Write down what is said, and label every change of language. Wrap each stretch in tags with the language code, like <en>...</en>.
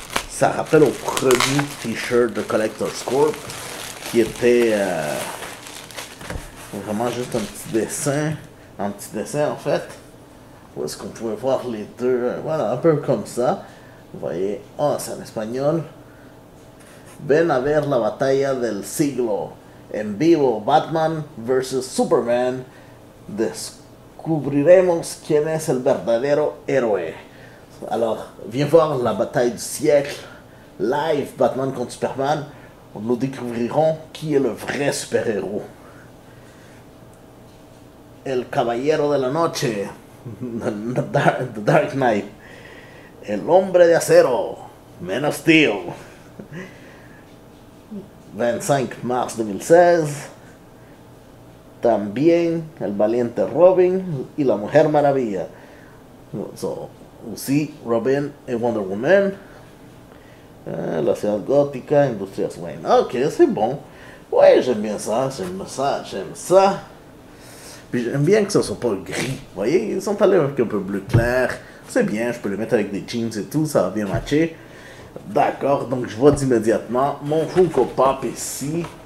<fr>Ça rappelle au premier t-shirt de Collector's Corp, qui était vraiment juste un petit dessin. Un petit dessin, en fait. Où est-ce qu'on pouvait voir les deux? Voilà, un peu comme ça. Vous voyez, oh, c'est en espagnol.</fr> <es>Ven a ver la batalla del siglo. En vivo, Batman versus Superman. Descubriremos quién es el verdadero héroe.</es> <fr>Alors, viens voir la bataille du siècle. Live, Batman contre Superman. Nous découvrirons qui est le vrai super-héros.</fr> <es>El caballero de la noche. The Dark Knight. El hombre de acero. Man of Steel.</es> <fr>25 mars 2016.</fr> <es>También el valiente Robin y la Mujer Maravilla.</es> <en>So, we see Robin and Wonder Woman. La ciudad gótica, Industrias Wayne.</en> <fr>Ok, c'est bon. Ouais, j'aime bien ça, j'aime ça, j'aime ça. Puis j'aime bien que ce soit pas gris. Vous voyez, ils sont allés avec un peu bleu clair. C'est bien, je peux les mettre avec des jeans et tout, ça va bien matcher. D'accord, donc je vois immédiatement mon Funko Pop ici.</fr>